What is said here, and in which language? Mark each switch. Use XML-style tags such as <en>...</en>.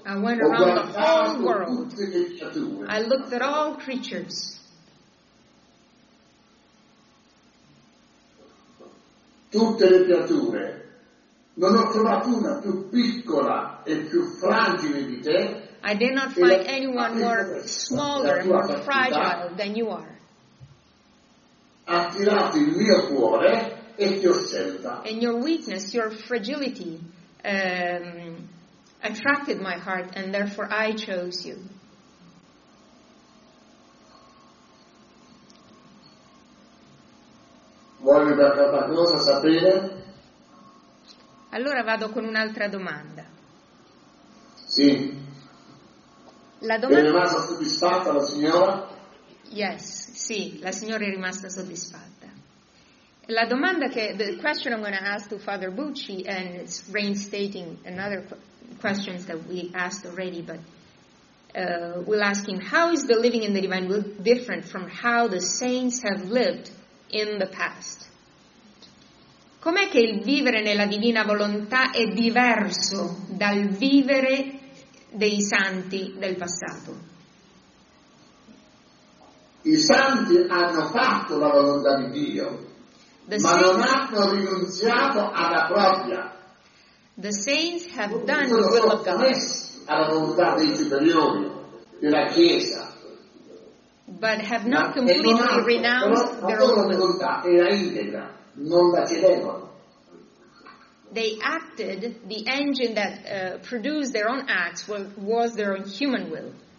<en>I went around the whole world.</en> <it>Tutte le creature.</it> <en>I looked at all creatures.</en> <it>Tutte le creature. Non ho trovato una più piccola e più fragile di te.</it> <en>I did not find anyone more smaller and more fragile than you are.</en> <it>Ha tirato il mio cuore e ti ho scelta.</it> <en>And your weakness, your fragility, attracted my heart and therefore I chose you.</en> <it>Voglio dare una cosa a sapere? Allora vado con un'altra domanda. Sì. La domanda... È rimasta soddisfatta la signora? Yes, sì, la signora è rimasta soddisfatta. La domanda che...</it> <en>The question I'm going to ask to Father Bucci, and it's reinstating another questions that we asked already, but we'll ask him, how is the living in the divine will different from how the saints have lived in the past?</en> <it>Com'è che il vivere nella divina volontà è diverso dal vivere dei santi del passato? I santi hanno fatto la volontà di Dio, ma non hanno rinunciato alla propria.</it> <en>The saints have done the will of God.</en> <it>Alla volontà dei superiori, della Chiesa.</it> <en>But have not completely renounced their own</en> <it>volontà. Era integra, non la chiedevano.</it> <en>They acted, the engine that produced their own acts was their own human will.</en>